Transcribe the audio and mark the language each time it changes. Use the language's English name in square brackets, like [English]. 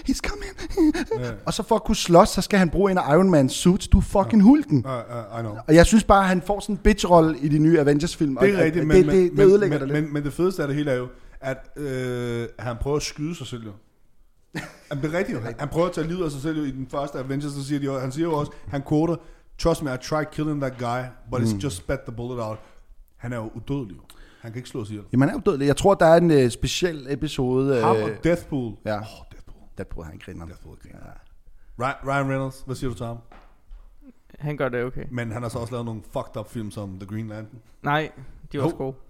[English] He's coming. [Danish] Og så for at kunne slås, så skal han bruge en Iron Man suit. Du er fucking Hulken. [English] I know. [Danish] Og jeg synes bare, at han får sådan en bitch-rolle i de nye Avengers-film. Det er rigtigt, men det fedeste af det hele er jo, at han prøver at skyde sig selv. Han bliver rigtigt. Han prøver at tage livet af sig selv i den første Avengers. Han siger jo også, han quoter, [English] trust me, I tried killing that guy, but it's just spat the bullet out. [Danish] Han er jo udødelig. Han kan ikke slå sig ihjel. Jamen, han er jo dødelig. Jeg tror, der er en speciel episode. Ham og Deathpool. Ja. Deathpool, han griner. Ryan Reynolds, hvad siger du til ham? Han gør det okay. Men han har så også lavet nogle fucked up film som The Green Lantern. Nej, de var også gode.